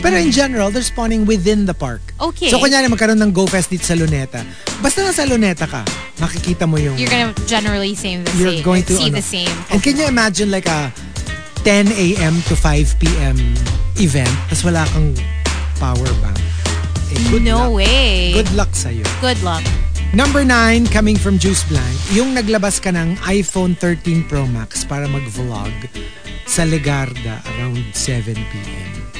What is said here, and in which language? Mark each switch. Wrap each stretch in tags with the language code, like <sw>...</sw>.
<en>Mm. Pero in general, they're spawning within the park. Okay.</en> <tl>So kunyari, magkaroon ng GoFest dito sa Luneta. Basta na sa Luneta ka, makikita mo yung...</tl> <en>You're gonna generally see the same. And can you imagine like a 10 a.m. to 5 p.m. event,</en> <tl>tapos wala kang power bank?</tl> <en>Good luck sa'yo. Good luck. Number 9, coming from</en> <tl>Juice Blank, yung naglabas ka ng iPhone 13 Pro Max para mag-vlog sa Legarda around 7 p.m.</tl>